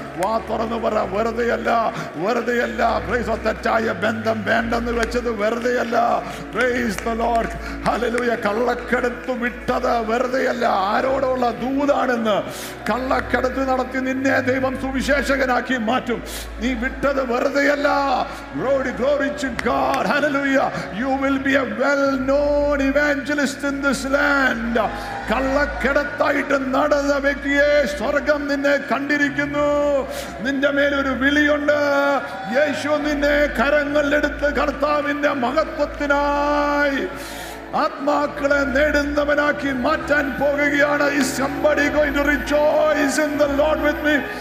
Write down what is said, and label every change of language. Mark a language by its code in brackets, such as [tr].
[ml] വാ തുറന്നു പറ, വെറുതെയല്ല, വെറുതെയല്ല. പ്രൈസ്, തെറ്റായ ബന്ധം വേണ്ടെന്ന് വെച്ചത് വെറുതെയല്ല. [en] Praise the lord. [ml] ഹല്ലേലൂയ. കള്ളക്കടത്ത് വിട്ടത് വെറുതെയല്ല. ആരോടുള്ള ദൂതാണെന്ന്, കള്ളക്കടത്ത് നടത്തി നിന്നെ ദൈവം സുവിശേഷകനാക്കി മാറ്റും. നീ വിട്ടത് വെറുതെയല്ല. [en] Glory to God. Hallelujah. You will be a well-known evangelist in this land. [ml] കള്ളക്കടത്തായിട്ട് നടന്ന വ്യക്തിയെ സ്വർഗം നിന്നെ കണ്ടിരിക്കുന്നു. നിന്റെ മേൽ ഒരു വിളിയുണ്ട്. യേശു നിന്നെ കരങ്ങളിലെടുത്ത് കർത്താവിന്റെ മഹത്വത്തിനായി ആത്മാക്കളെ നേടുന്നവനാക്കി മാറ്റാൻ പോകുകയാണ്. [en] Is somebody going to rejoice in the Lord with me?